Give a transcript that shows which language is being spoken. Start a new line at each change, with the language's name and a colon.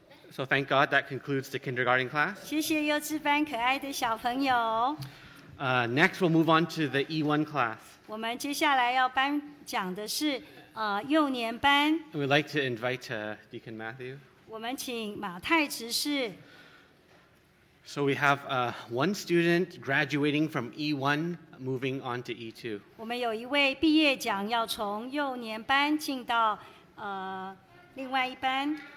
English: So thank God that concludes the kindergarten class.
Chinese: 谢谢幼稚班可爱的小朋友。
English: Next, we'll move on to the E1 class.
Chinese: 我们接下来要颁奖的是 幼年班。
English: We'd like to invite Deacon Matthew.
Chinese: 我们请马太执事。
English: So we have one student graduating from E1, moving on to E2.
Chinese: 我们有一位毕业奖要从幼年班进到 另外一班。